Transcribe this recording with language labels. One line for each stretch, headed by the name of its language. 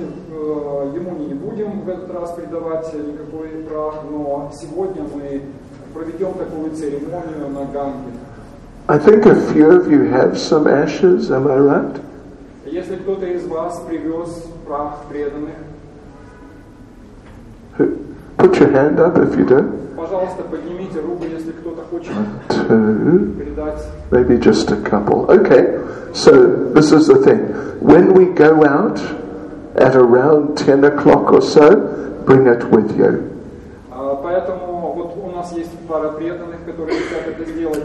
Russian: Мы не будем в этот раз предавать никакой прах, но сегодня мы проведем такую церемонию на Ганге.
English: I think a few of you have some ashes, am I right?
Russian: Если кто-то из вас привез прах преданных.
English: Put your hand up if you do.
Russian: Пожалуйста, поднимите руку, если кто-то хочет.
English: One, two,
Russian: передать.
English: Maybe just a couple. Okay. So this is the thing. When we go out at around 10 o'clock or so, bring it with you.
Russian: Поэтому вот у нас есть пара преданных, которые хотят это сделать.